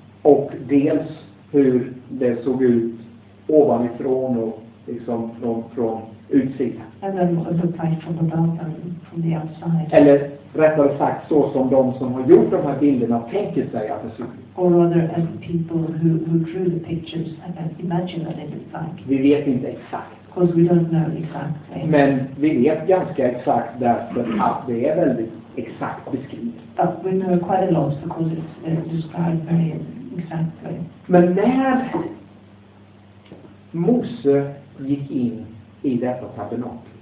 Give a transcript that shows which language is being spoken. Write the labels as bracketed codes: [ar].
[sv] Och dels hur det såg ut ovanifrån och liksom från utsidan. [en] And then it looked like from above and from the outside. [sv] Eller rättare sagt så som de som har gjort de här bilderna tänker sig att det såg ut. [en] Or rather as people who drew the pictures and imagined that it looked like. [sv] Vi vet inte exakt. [en] Because we don't know exactly. [sv] Men vi vet ganska exakt därför att det är väldigt exakt beskrivet. [en] But we know quite a lot because it's described very exactly. [sv] Men när Mose gick in i detta tabernakel.